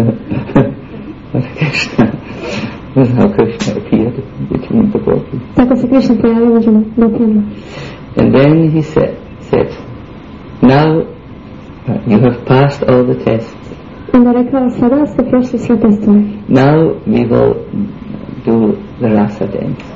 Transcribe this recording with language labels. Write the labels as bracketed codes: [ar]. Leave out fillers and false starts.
[en] That's how Krishna appeared between the gopis. And then he said, now you have passed all the tests. [hr] Onda rekao, sada ste prošli sve testove. [en] Now we will do the rasa dance.